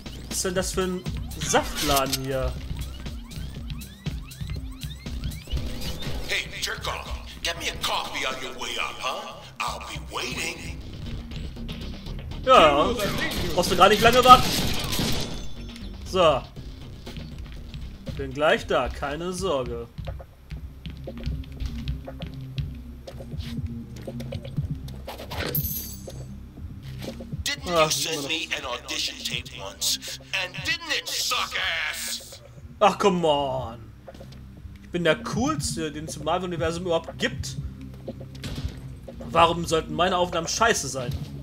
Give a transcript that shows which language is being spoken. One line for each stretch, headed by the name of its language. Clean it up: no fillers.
German: Was ist denn das für ein Saftladen hier?
English: Hey, Jerkoff, get me a coffee on your way up, huh? I'll be waiting.
German: Ja, brauchst du gar nicht lange warten. So. Bin gleich da, keine Sorge.
English: Didn't you send me an audition tape once? And didn't it suck ass? Ach, come on.
German: Ich bin der Coolste, den es im Marvel-Universum überhaupt gibt. Warum sollten meine Aufnahmen scheiße sein?